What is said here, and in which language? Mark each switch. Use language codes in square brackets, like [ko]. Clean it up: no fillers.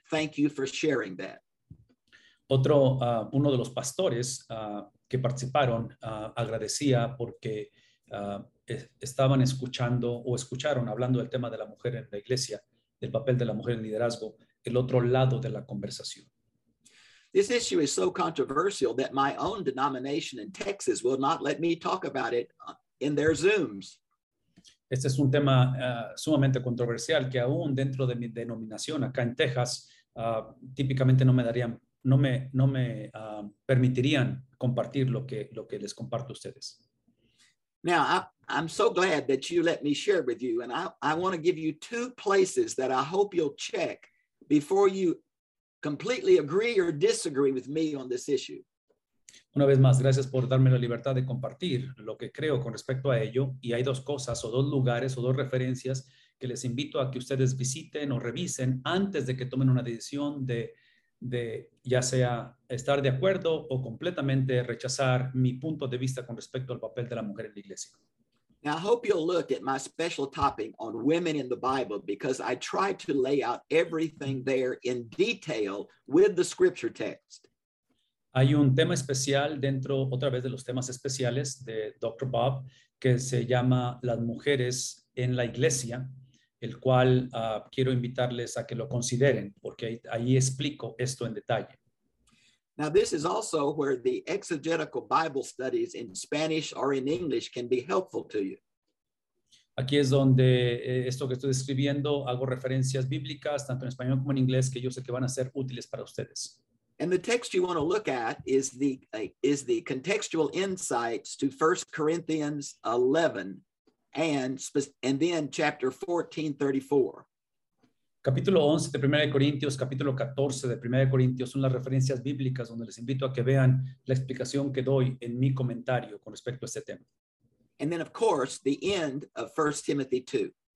[en] Thank you for sharing that. [es] Otro, uno de los pastores que participaron agradecía porque estaban escuchando o escucharon hablando del tema de la mujer en la iglesia, del papel de la mujer en liderazgo, el otro lado de la conversación. [en] This issue is so controversial that my own denomination in Texas will not let me talk about it in their Zooms. [es] Este es un tema sumamente controversial que aún dentro de mi denominación acá en Texas típicamente no me darían no me permitirían compartir lo que les comparto a ustedes. [en] Now, I'm so glad that you let me share with you, and I want to give you two places that I hope you'll check before you completely agree or disagree with me on this issue. [es] Una vez más, gracias por darme la libertad de compartir lo que creo con respecto a ello, y hay dos cosas o dos lugares o dos referencias que les invito a que ustedes visiten o revisen antes de que tomen una decisión de ya sea estar de acuerdo o completamente rechazar mi punto de vista con respecto al papel de la mujer en la iglesia. [en] Now, I hope you'll look at my special topic on women in the Bible because I try to lay out everything there in detail with the scripture text. [es] Hay un tema especial dentro, otra vez, de los temas especiales de Dr. Bob que se llama Las Mujeres en la Iglesia, el cual quiero invitarles a que lo consideren, porque ahí explico esto en detalle. [en] Now, this is also where the exegetical Bible studies in Spanish or in English can be helpful to you. [es] Aquí es donde esto que estoy describiendo, hago referencias bíblicas, tanto en español como en inglés, que yo sé que van a ser útiles para ustedes. [en] And the text you want to look at is the contextual insights to 1 Corinthians 11. And then chapter 14:34. [es] Capítulo 11 de 1 Corintios, capítulo 14 de 1 Corintios son las referencias bíblicas donde les invito a que vean la explicación que doy en mi comentario con respecto a este tema. [en] And then of course the end of 1 Timothy 2.